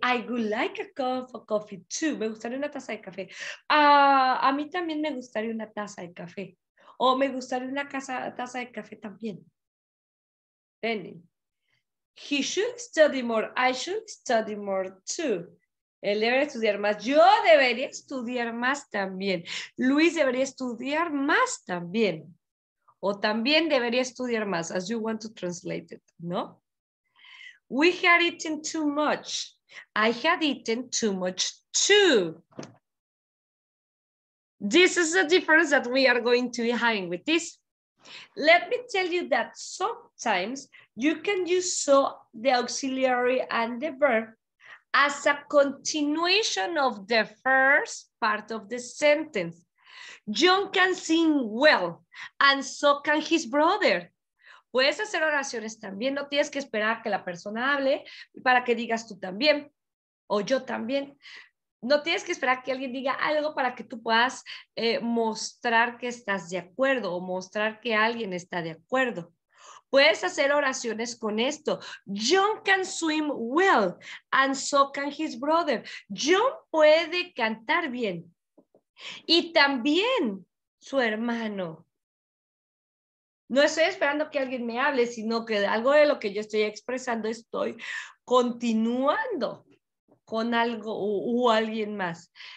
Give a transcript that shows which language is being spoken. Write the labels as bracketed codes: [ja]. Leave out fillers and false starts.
[en] I would like a cup of coffee too. [es] Me gustaría una taza de café. A mí también me gustaría una taza de café. O me gustaría una taza de café también. [en] Penny. He should study more. I should study more too. [es] Él debería estudiar más. Yo debería estudiar más también. Luis debería estudiar más también. O también debería estudiar más, [en] as you want to translate it, [es] ¿no? [en] We had eaten too much. I had eaten too much too. This is the difference that we are going to be having with this. Let me tell you that sometimes you can use so the auxiliary and the verb as a continuation of the first part of the sentence. John can sing well, and so can his brother. [es] Puedes hacer oraciones también, no tienes que esperar que la persona hable para que digas tú también, o yo también. No tienes que esperar que alguien diga algo para que tú puedas mostrar que estás de acuerdo o mostrar que alguien está de acuerdo. Puedes hacer oraciones con esto. [en] John can swim well and so can his brother. [es] John puede cantar bien y también su hermano. No estoy esperando que alguien me hable, sino que algo de lo que yo estoy expresando estoy continuando con algo o alguien más.